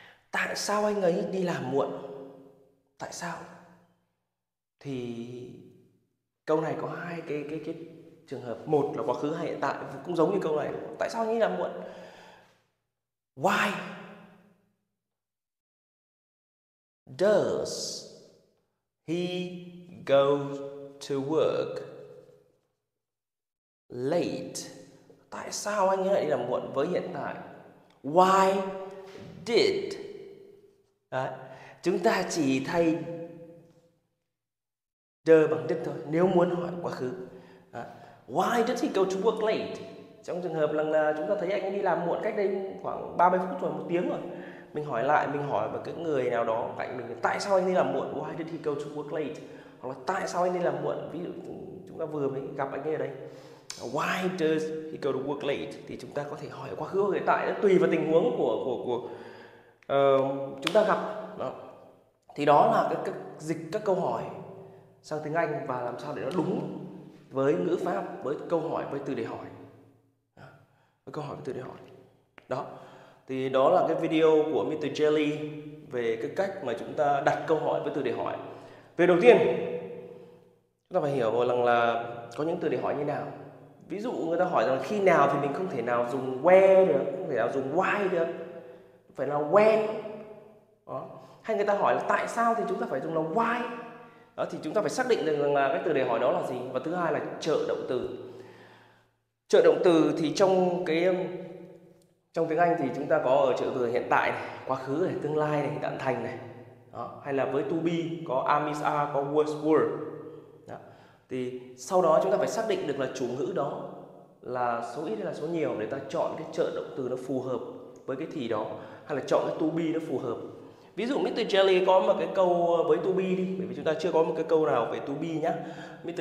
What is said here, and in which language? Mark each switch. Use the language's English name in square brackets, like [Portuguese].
[Vietnamese] Tại sao anh ấy đi làm muộn? Tại sao? Thì câu này có hai cái trường hợp, một là quá khứ hay hiện tại, cũng giống như câu này tại sao anh ấy làm muộn. [English] Why does he go to work late? [Vietnamese] Tại sao anh ấy lại đi làm muộn với hiện tại? [English] Why did? [Vietnamese] Đấy. Chúng ta chỉ thay the bằng did thôi nếu muốn hỏi quá khứ. Đấy. [English] Why did he go to work late? [Vietnamese] Trong trường hợp lần là chúng ta thấy anh ấy đi làm muộn cách đây khoảng 30 phút rồi, 1 tiếng rồi. Mình hỏi lại, mình hỏi với cái người nào đó cạnh mình, tại sao anh đi làm muộn? [English] Why did he go to work late? [Vietnamese] Hoặc là tại sao anh đi làm muộn? Ví dụ chúng ta vừa mới gặp anh ấy ở đây. [English] Why does he go to work late? [Vietnamese] Thì chúng ta có thể hỏi quá khứ hoặc hiện tại, tùy vào tình huống của chúng ta gặp. Đó. Thì đó là cái dịch các câu hỏi sang tiếng Anh và làm sao để nó đúng với ngữ pháp, với câu hỏi, với từ để hỏi. Với câu hỏi, với từ để hỏi. Đó. Thì đó là cái video của Mr. Jelly về cái cách mà chúng ta đặt câu hỏi với từ để hỏi. Về đầu tiên, chúng ta phải hiểu rằng là có những từ để hỏi như nào. Ví dụ người ta hỏi rằng là khi nào thì mình không thể nào dùng where được, không thể nào dùng why được. Phải là when. Đó. Hay người ta hỏi là tại sao thì chúng ta phải dùng là why. Đó, thì chúng ta phải xác định được rằng là cái từ để hỏi đó là gì. Và thứ hai là trợ động từ. Trợ động từ thì trong cái trong tiếng Anh thì chúng ta có ở trợ từ hiện tại này, quá khứ này, tương lai này, đoạn thành này. Đó. Hay là với to be có am is are có was were. Thì sau đó chúng ta phải xác định được là chủ ngữ đó là số ít hay là số nhiều để ta chọn cái trợ động từ nó phù hợp với cái thì đó, hay là chọn cái to be nó phù hợp. Ví dụ Mr. Jelly có một cái câu với to be đi, bởi vì chúng ta chưa có một cái câu nào về to be nhá. Mr.